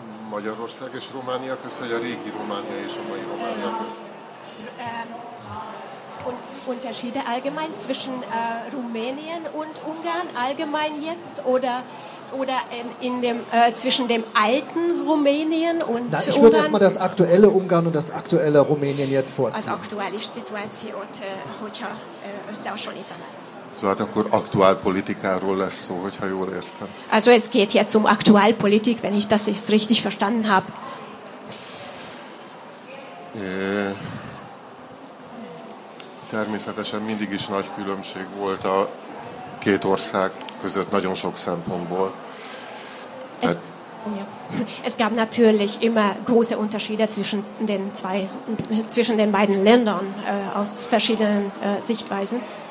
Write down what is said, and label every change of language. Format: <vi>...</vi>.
<hu>Magyarország és Románia között, vagy a régi Románia és a mai Románia között?</hu> <de>Unterschiede allgemein zwischen Rumänien und Ungarn allgemein jetzt oder in dem zwischen dem alten Rumänien und Ungarn? Ich würde erstmal das aktuelle Ungarn und das aktuelle Rumänien jetzt vorziehen. Also aktuelle Situation,</de> <hu>hogyha</hu> <de>sehr schön internet.</de> <hu>So, hát akkor aktuálpolitikáról lesz szó, hogyha jól értem.</hu> <de>Also es geht jetzt um aktuálpolitik, wenn ich das jetzt richtig verstanden habe.</de> <hu>Természetesen mindig is nagy különbség volt a két ország között nagyon sok szempontból.</hu> <de>Es gab natürlich immer große Unterschiede zwischen den beiden Ländern aus verschiedenen Sichtweisen.</de>